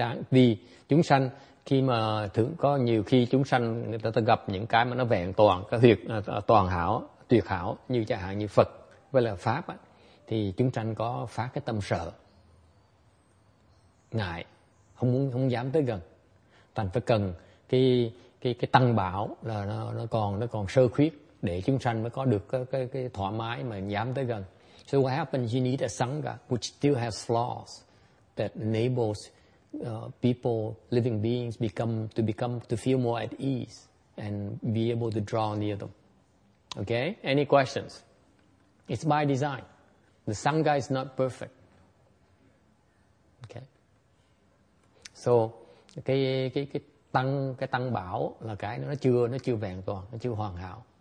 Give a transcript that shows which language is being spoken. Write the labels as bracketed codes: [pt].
[vi] Vì chúng sanh khi mà thường có nhiều khi chúng sanh người ta gặp những cái mà nó vẹn toàn, cái việc toàn hảo, tuyệt hảo như chẳng hạn như Phật với là pháp á, thì chúng sanh có phát cái tâm sợ, ngại, không dám tới gần. Thành phải cần cái tăng bảo là nó còn sơ khuyết để chúng sanh mới có được cái thoải mái mà dám tới gần. [en] So what happens, you need a sangha which still has flaws that enables people, living beings to feel more at ease and be able to draw near them. Okay? Any questions? It's by design. The sangha is not perfect. Okay. [vi] So cái tăng bảo là cái nó chưa vẹn toàn, nó chưa hoàn hảo.